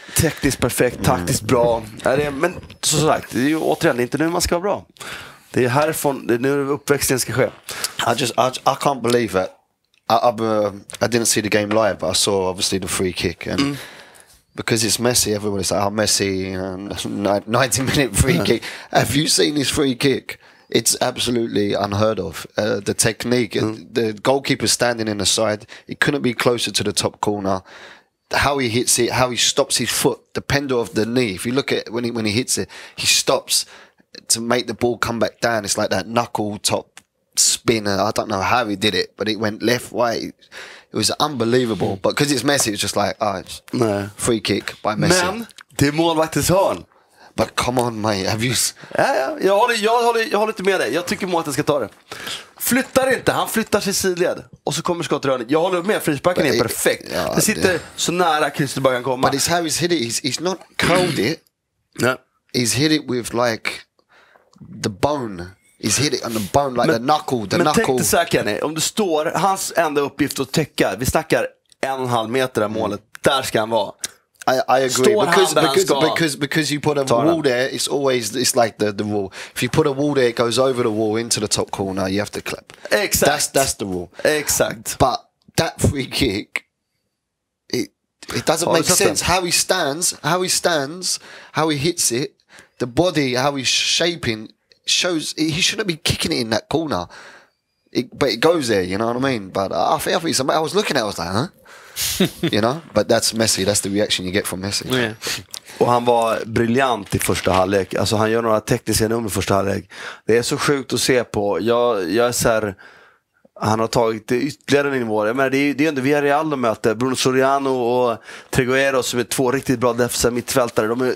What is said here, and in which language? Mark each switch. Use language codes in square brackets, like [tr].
[sv] Tekniskt perfekt, taktiskt bra. Men som sagt, det är ju återigen, det är inte nu man ska vara bra. Det är härifrån, det är nu uppväxten ska ske. [en] I can't believe it. I didn't see the game live, but I saw obviously the free kick. And because it's Messi, everybody's like, oh Messi, 90 minute free kick. Have you seen this free kick? It's absolutely unheard of. The technique, the goalkeeper standing in the side, it couldn't be closer to the top corner. How he hits it, how he stops his foot, the pendle of the knee. If you look at when he hits it, he stops to make the ball come back down. It's like that knuckle top spin. I don't know how he did it, but it went left, right. It was unbelievable. But because it's Messi, it's just like, oh, it's no. Free kick by Messi. Man, the more like this on. But come on mate, have you... [sv] Jag håller inte med dig. Jag tycker målet ska ta det. Flyttar inte, han flyttar sig sidled. Och så kommer skottet rörligt. Jag håller med, frisparken är perfekt. Det sitter så nära krysset bara kan komma. [en] But it's how he's hit it, he's not curled it. No. He's hit it with like the bone. He's hit it on the bone, like the knuckle. [sv] Men tänk dig så här, om du står, hans enda uppgift att täcka, vi snackar 1,5 meter av målet, där ska han vara. [en] I agree because you put a wall there, it's always, it's like the wall. If you put a wall there, it goes over the wall into the top corner. You have to clap. Exactly. That's the rule. Exactly. But that free kick, it doesn't make sense. How he stands, how he hits it, the body, how he's shaping shows he shouldn't be kicking it in that corner. but it goes there, you know what I mean? But I think somebody, I was looking at it, I was like, huh? You know? But that's Messi, that's the reaction you get from Messi. Yeah. [sv] Och han var briljant i första halvlek. Alltså han gör några tekniska nummer i första halvlek. Det är så sjukt att se på. Jag är så här, han har tagit ytterligare nivåer. Men det är ju ändå Villarreal de möter. Bruno Soriano och Trigueiro som är två riktigt bra defensiva mittfältare.